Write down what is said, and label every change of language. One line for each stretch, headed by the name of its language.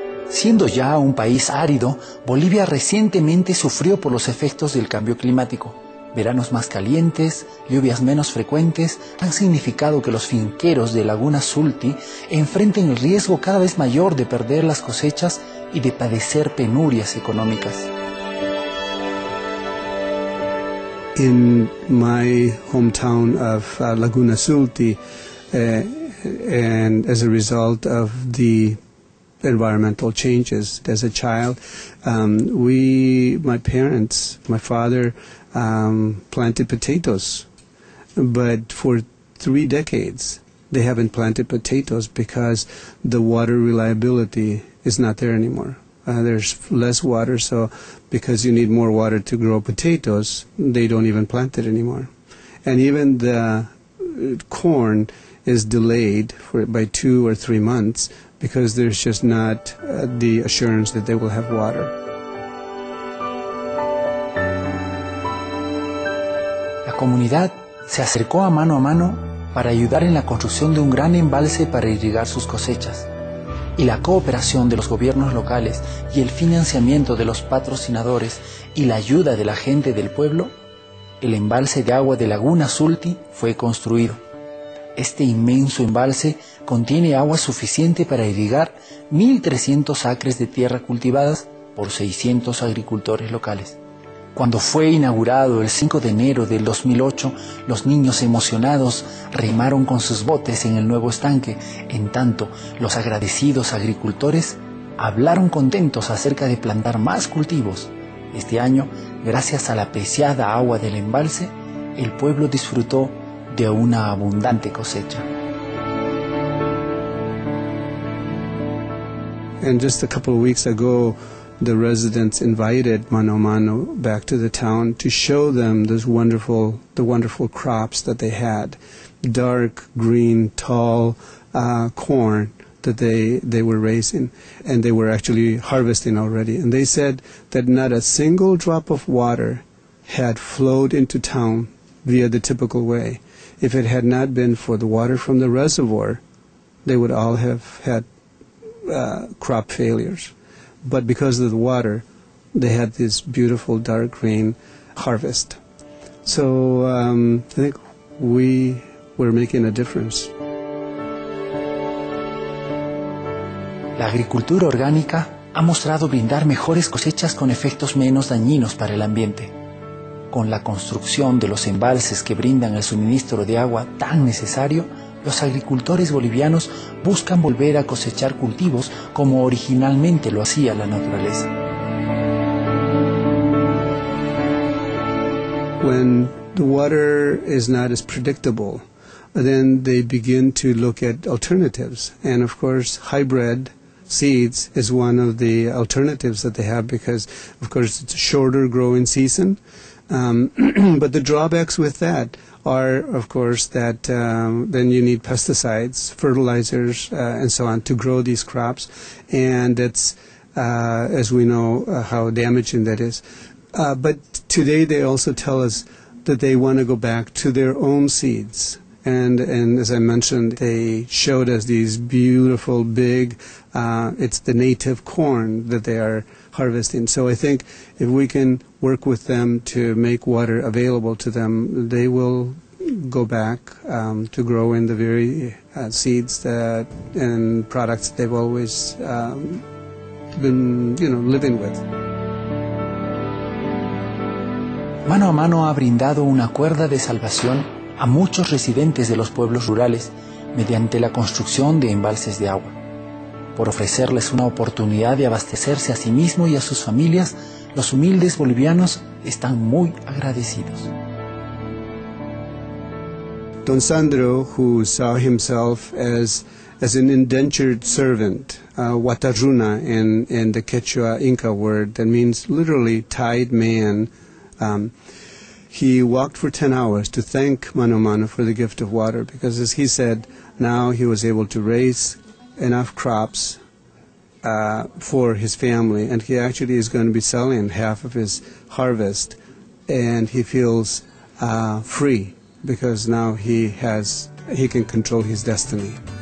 Spanish: Siendo ya un país árido, Bolivia recientemente sufrió por los efectos del cambio climático. Veranos más calientes, lluvias menos frecuentes, han significado que los finqueros de Laguna Sulti enfrenten el riesgo cada vez mayor de perder las cosechas y de padecer penurias económicas.
English: In my hometown of Laguna Sulti, and as a result of the environmental changes. As a child, my father planted potatoes, but for 3 decades they haven't planted potatoes because the water reliability is not there anymore. There's less water, so because you need more water to grow potatoes, they don't even plant it anymore. And even the corn is delayed by 2 or 3 months because there's just not the assurance that they will have water.
Spanish: La comunidad se acercó a mano para ayudar en la construcción de un gran embalse para irrigar sus cosechas. Y la cooperación de los gobiernos locales y el financiamiento de los patrocinadores y la ayuda de la gente del pueblo, el embalse de agua de Laguna Sulti fue construido. Este inmenso embalse contiene agua suficiente para irrigar 1.300 acres de tierra cultivadas por 600 agricultores locales. Cuando fue inaugurado el 5 de enero del 2008, los niños emocionados remaron con sus botes en el nuevo estanque. En tanto, los agradecidos agricultores hablaron contentos acerca de plantar más cultivos. Este año, gracias a la preciada agua del embalse, el pueblo disfrutó de una abundante cosecha.
English: And just a couple of weeks ago, the residents invited Mano Mano back to the town to show them those wonderful, the wonderful crops that they had, dark green, tall corn that they were raising, and they were actually harvesting already. And they said that not a single drop of water had flowed into town via the typical way. If it had not been for the water from the reservoir, they would all have had crop failures. But because of the water, they had this beautiful dark green harvest. So I think we were making a difference.
Spanish: La agricultura orgánica ha mostrado brindar mejores cosechas con efectos menos dañinos para el ambiente. Con la construcción de los embalses que brindan el suministro de agua tan necesario, los agricultores bolivianos buscan volver a cosechar cultivos como originalmente lo hacía la naturaleza.
English: When the water is not as predictable, then they begin to look at alternatives. And of course, hybrid seeds is one of the alternatives that they have because, of course, it's a shorter growing season. But the drawbacks with that are, of course, that then you need pesticides, fertilizers, and so on to grow these crops. And that's, as we know, how damaging that is. But today they also tell us that they want to go back to their own seeds. And as I mentioned, they showed us these beautiful, big, it's the native corn that they are harvesting. So I think if we can work with them to make water available to them, they will go back to grow in the very seeds that and products they've always been, you know, living with.
Spanish: Mano a Mano ha brindado una cuerda de salvación a muchos residentes de los pueblos rurales mediante la construcción de embalses de agua. Por ofrecerles una oportunidad de abastecerse a sí mismo y a sus familias, los humildes bolivianos están muy agradecidos.
English: Don Sandro, who saw himself as an indentured servant, Watarruna in the Quechua Inca word that means literally tied man, he walked for 10 hours to thank Mano Mano for the gift of water because, as he said, now he was able to raise enough crops for his family, and he actually is going to be selling half of his harvest, and he feels free because now he can control his destiny.